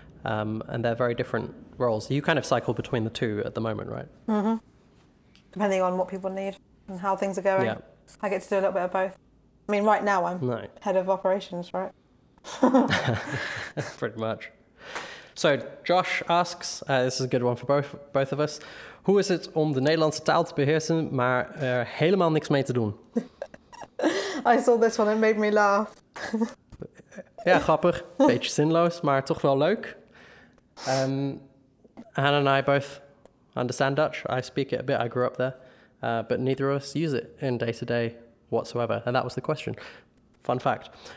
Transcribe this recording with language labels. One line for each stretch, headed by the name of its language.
English: And they're very different roles. You kind of cycle between the two at the moment, right? Mm-hmm. Depending on what people need and how things are going. Yeah. I get to do a little bit of both. I mean, right now I'm no. head of operations, right? Pretty much. So Josh asks, this is a good one for both of us.
Dutch: Hoe is het om de Nederlandse taal te beheersen, maar er helemaal niks mee te doen?
English: I saw this one, it made me laugh.
Dutch: Ja, grappig. Beetje zinloos, maar toch wel leuk.
English: Hannah and I both understand Dutch. I speak it a bit, I grew up there. But neither of us use it in day-to-day whatsoever. And that was the question. Fun fact.